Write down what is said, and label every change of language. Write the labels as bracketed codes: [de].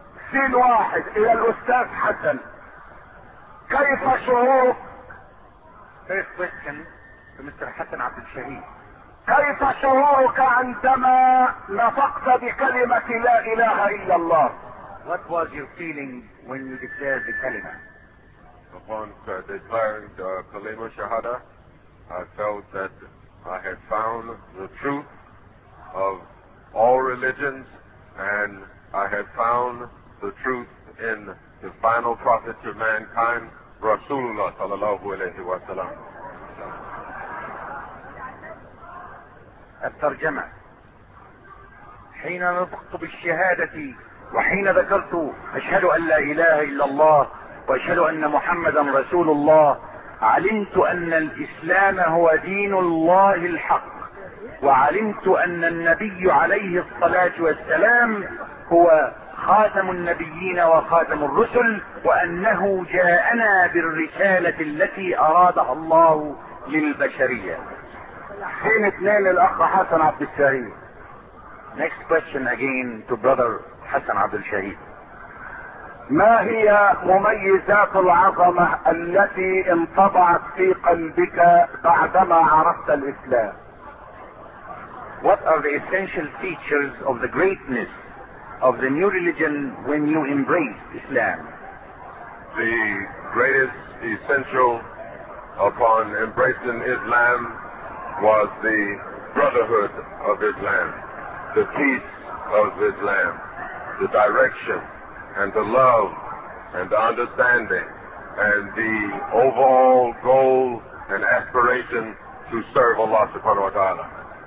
[ar] سين واحد الى الاستاذ حسن كيف شعورك مستر حسن عبد الشهيد كيف شعورك عندما نطقت بكلمة لا اله الا الله [en] what was your feeling when you declared the kalima upon declaring the kalima shahada I felt that I had found the truth of all religions and I had found the truth in the final prophet to mankind Rasulullah sallallahu alayhi wa sallam. [ar] الترجمة حين نطقت بالشهادة وحين ذكرت اشهد ان لا اله الا الله واشهد ان محمدا رسول الله علمت ان الاسلام هو دين الله الحق وعلمت ان النبي عليه الصلاة والسلام هو خاتم النبيين وخاتم الرسل وانه جاءنا بالرسالة التي ارادها الله للبشرية. حين اثنين الاخ حسن عبد الشهيد. [en] Next question again to brother حسن عبد الشهيد. [ar] ما هي مميزات العظمة التي انطبعت في قلبك بعدما عرفت الاسلام؟ [en] What are the essential features of the greatness of the new religion when you embrace Islam? The greatest essential upon embracing Islam was the brotherhood of Islam, the peace of Islam, the direction and the love and the understanding and the overall goal and aspiration to serve Allah subhanahu wa ta'ala.